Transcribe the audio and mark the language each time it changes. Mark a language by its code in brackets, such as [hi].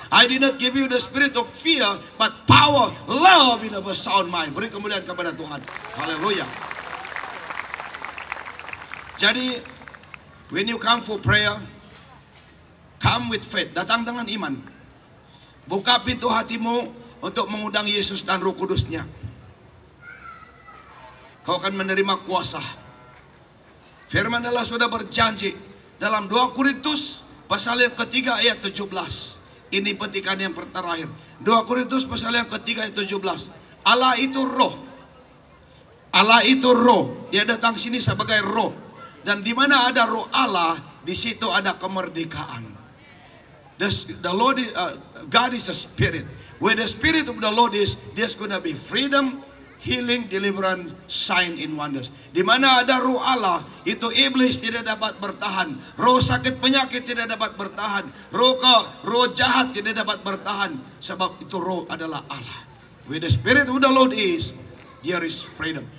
[en] I did not give you the spirit of fear, but power, love, in a sound mind. [id] Beri kemuliaan kepada Tuhan. Haleluya. [en] Jadi, when you come for prayer, come with faith. [id] Datang dengan iman. Buka pintu hatimu untuk mengundang Yesus dan Roh Kudus-Nya. Kau akan menerima kuasa. Firman Allah sudah berjanji dalam 2 Korintus pasal yang ketiga ayat 17. Ini petikan yang terakhir. 2 Korintus pasal yang ketiga ayat 17. Allah itu roh. Allah itu roh. Dia datang sini sebagai roh. Dan di mana ada roh Allah, di situ ada kemerdekaan. [en] The Lord is, God is a spirit. Where the spirit of the Lord is, there's gonna be freedom, healing, deliverance, sign in wonders. [id] Di mana ada roh Allah, itu iblis tidak dapat bertahan. Roh sakit penyakit tidak dapat bertahan. Roh jahat tidak dapat bertahan. Sebab itu roh adalah Allah. [en] Where the spirit of the Lord is, there is freedom.